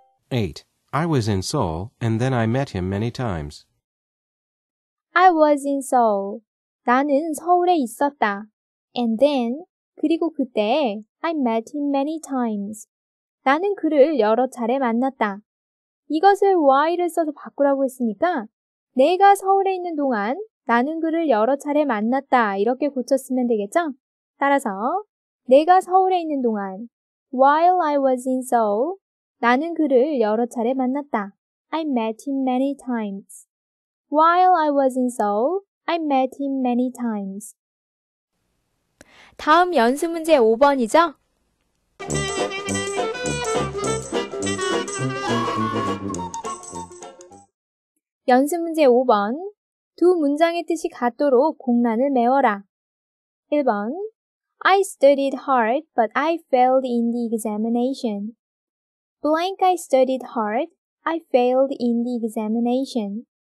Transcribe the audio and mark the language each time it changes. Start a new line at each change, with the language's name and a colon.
English: 8. I was in Seoul and then I met him many times. I was in Seoul.
Korean: 나는 서울에 있었다.
English: And then,
Korean: 그리고 그때,
English: I met him many times.
Korean: 나는 그를 여러 차례 만났다. 이것을 why를 써서 바꾸라고 했으니까 내가 서울에 있는 동안 나는 그를 여러 차례 만났다. 이렇게 고쳤으면 되겠죠? 따라서 내가 서울에 있는 동안
English: While I was in Seoul,
Korean: 나는 그를 여러 차례 만났다.
English: I met him many times. While I was in Seoul, I met him many times.
Korean: 다음 연습 문제 5번이죠? 연습 문제 5번. 두 문장의 뜻이 같도록 공란을 메워라. 1번.
English: I studied hard, but I failed in the examination. Blank I studied hard, I failed in the examination.